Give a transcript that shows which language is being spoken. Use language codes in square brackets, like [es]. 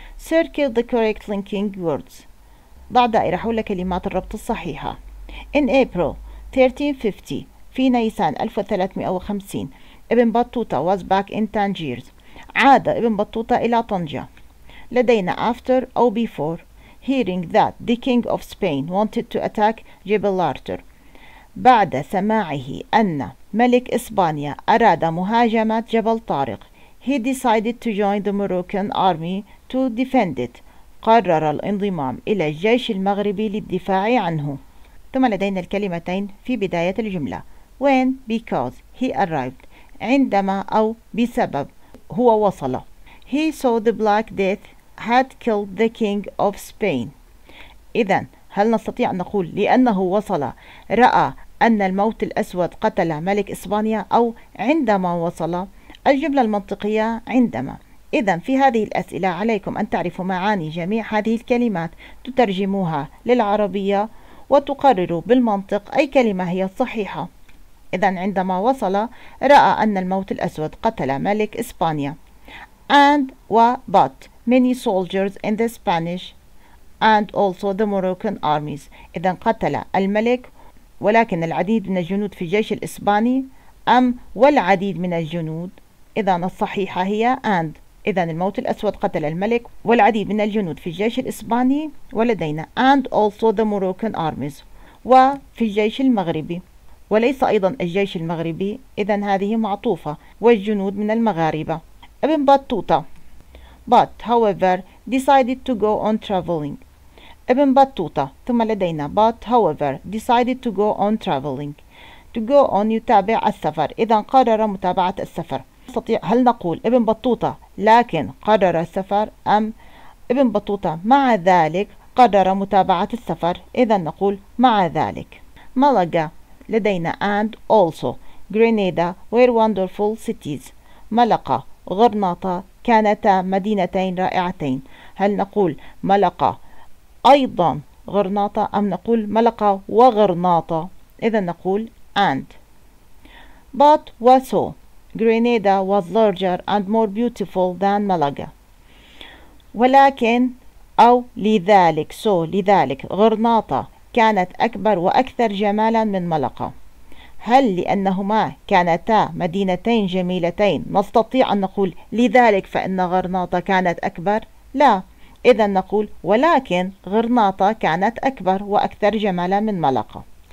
[en] circle the correct linking words [ar] ضع دائرة حول كلمات الربط الصحيحة. [en] in April [ar] 1350 في نيسان 1350 ابن بطوطة [en] was back in Tangiers [ar] عاد ابن بطوطة إلى طنجة. لدينا [en] after [ar] أو [en] before hearing that the king of Spain wanted to attack Gibraltar. [ar] بعد سماعه أن ملك إسبانيا أراد مهاجمة جبل طارق, [en] he decided to join the Moroccan army to defend it. [ar] قرر الانضمام إلى الجيش المغربي للدفاع عنه. ثم لدينا الكلمتين في بداية الجملة. [en] When, because, he arrived. [ar] عندما أو بسبب هو وصل. [en] He saw the Black Death had killed the king of Spain. [ar] إذن هل نستطيع أن نقول لأنه وصل رأى أن الموت الأسود قتل ملك إسبانيا, أو عندما وصل؟ الجملة المنطقية عندما. إذن في هذه الأسئلة عليكم أن تعرفوا معاني جميع هذه الكلمات, تترجموها للعربية وتقرروا بالمنطق أي كلمة هي الصحيحة. إذن عندما وصل رأى أن الموت الأسود قتل ملك إسبانيا. [en] And but many soldiers in the Spanish and also the Moroccan armies. [ar] إذن قتل الملك ولكن العديد من الجنود في الجيش الإسباني, أم والعديد من الجنود؟ إذن الصحيحة هي and. إذن الموت الأسود قتل الملك والعديد من الجنود في الجيش الإسباني, ولدينا [en] and also the Moroccan armies, [ar] وفي الجيش المغربي, وليس أيضا الجيش المغربي. إذن هذه معطوفة, والجنود من المغاربة. [en] ابن بطوطة. But however decided to go on traveling. ابن بطوطة. [ar] ثم لدينا [en] but however decided to go on traveling. To go on [ar] يتابع السفر. إذن قرر متابعة السفر. نستطيع هل نقول ابن بطوطة لكن قرر السفر, أم ابن بطوطة مع ذلك قرر متابعة السفر؟ إذن نقول مع ذلك. [en] ملقا. [ar] لدينا [en] and also. Grenada were wonderful cities. [ar] ملقا غرناطة كانتا مدينتين رائعتين. هل نقول ملقا أيضا غرناطة, أم نقول ملقا وغرناطة؟ إذن نقول and. [en] But so Grenada was larger and more beautiful than Malaga. [ar] ولكن أو لذلك, so لذلك غرناطة كانت أكبر وأكثر جمالا من ملقا. هل لأنهما كانتا مدينتين جميلتين نستطيع أن نقول لذلك فإن غرناطة كانت أكبر؟ لا, إذا نقول ولكن غرناطة كانت أكبر وأكثر جمالا من ملقا.